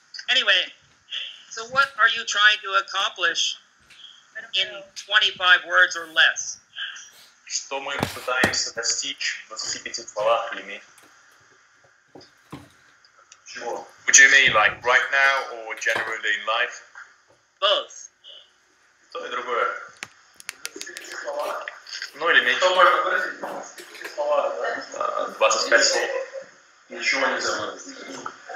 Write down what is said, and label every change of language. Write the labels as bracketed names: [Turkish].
[English] Anyway, so what are you trying to accomplish in 25 words or less? [Russian] Что мы пытаемся достичь в 25 словах или меньше? [English] Would you mean like right now or generally in life? Both. [Russian] То и другое. Ну или меньше. Что можно выразить в 25 словах, да? 25 слов. Ничего не забыл.